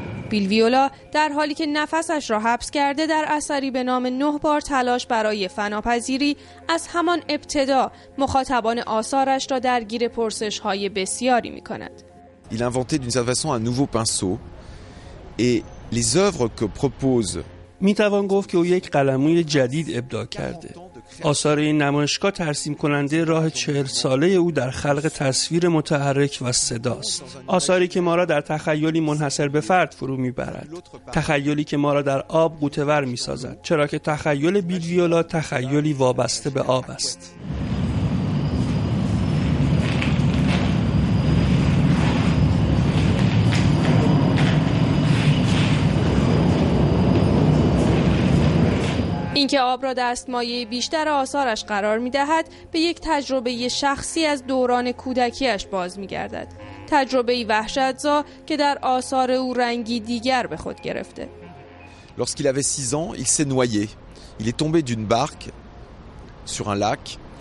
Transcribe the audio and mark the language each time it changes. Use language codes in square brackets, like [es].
[fa] بیل ویولا در حالی که نفسش را حبس کرده در اثری به نام 9 بار تلاش برای فناپذیری، از همان ابتدا مخاطبان آثارش را درگیر پرسش‌های بسیاری می‌کند. [fr] Il inventait d'une certaine façon un nouveau pinceau et les œuvres que propose [fa] میتوان گفت که او یک قلموی جدید ابداع کرده. آثار این نمایشگاه ترسیم کننده راه 40 ساله او در خلق تصویر متحرک و صداست. آثاری که ما را در تخیلی منحصر به فرد فرو میبرد. تخیلی که ما را در آب غوطه‌ور میسازد. چرا که تخیل بیل ویولا تخیلی وابسته به آب است. اینکه آب را دستمایه بیشتر آثارش قرار می‌دهد به یک تجربه شخصی از دوران کودکیش باز می‌گردد. تجربه وحشت‌زا که در آثار او رنگی دیگر به خود گرفته. [fr] Lorsqu'il avait 6 ans, il s'est noyé. Il est tombé d'une barque sur un lac.